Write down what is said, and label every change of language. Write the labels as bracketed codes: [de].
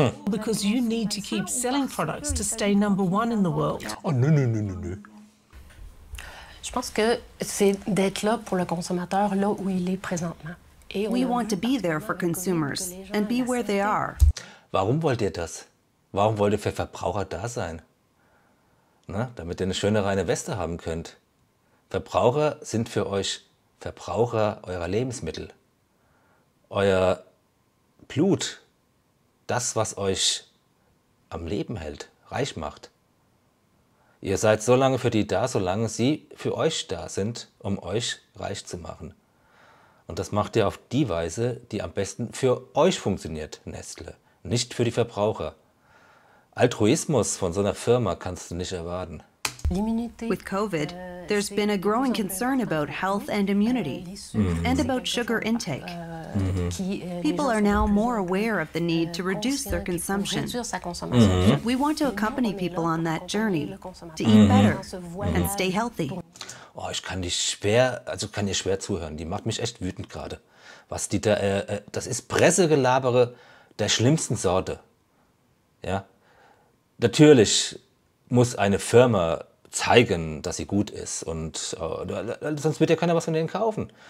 [en] Because you need to keep selling products to stay number one in the world. Oh, no, no, no, no, no. [fr] Je pense que c'est d'être là pour le consommateur, là où il est présentement. [en] We want to be there for consumers and be where they are. [de] Warum wollt ihr das? Warum wollt ihr für Verbraucher da sein? Na, damit ihr eine schöne reine Weste haben könnt. Verbraucher sind für euch Verbraucher eurer Lebensmittel. Euer Blut, das, was euch am Leben hält, reich macht. Ihr seid so lange für die da, solange sie für euch da sind, um euch reich zu machen. Und das macht ihr auf die Weise, die am besten für euch funktioniert, Nestle, nicht für die Verbraucher. Altruismus von so einer Firma kannst du nicht erwarten. [en] With COVID, there's been a growing concern about health and immunity and about sugar intake. People are now more aware of the need to reduce their consumption. We want to accompany people on that journey to eat better and stay healthy. [de] Oh, ich kann dich schwer, also kann dir schwer zuhören. Die macht mich echt wütend gerade. Was die da, das ist Pressegelabere der schlimmsten Sorte. Ja, natürlich muss eine Firma zeigen, dass sie gut ist. Und sonst wird ja keiner was von denen kaufen.